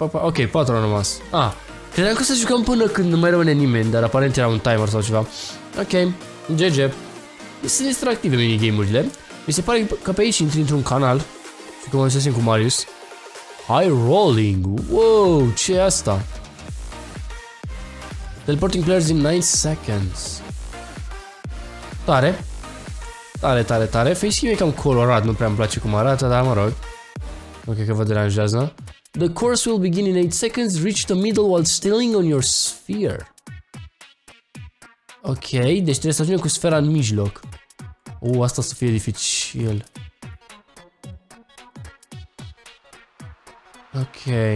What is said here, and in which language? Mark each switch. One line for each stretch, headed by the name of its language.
Romanian: Ok, 4 au rămas. Credeam că să jucăm până când nu mai rămâne nimeni, dar aparent era un timer sau ceva. Ok, GG. Sunt distractive minigame-urile. Mi se pare că pe aici intri într-un canal și cum am zis cu Marius. High Rolling. Wow, ce e asta?
English: Teleporting players in 9 seconds.
Romanian: Tare. Tare. Face-ul e cam colorat, nu prea îmi place cum arată, dar mă rog. Ok, că vă deranjează.
English: The course will begin in 8 seconds, reach the middle while stealing on your sphere.
Romanian: Ok, deci trebuie să ajungem cu sfera în mijloc. Asta o să fie dificil. Ok.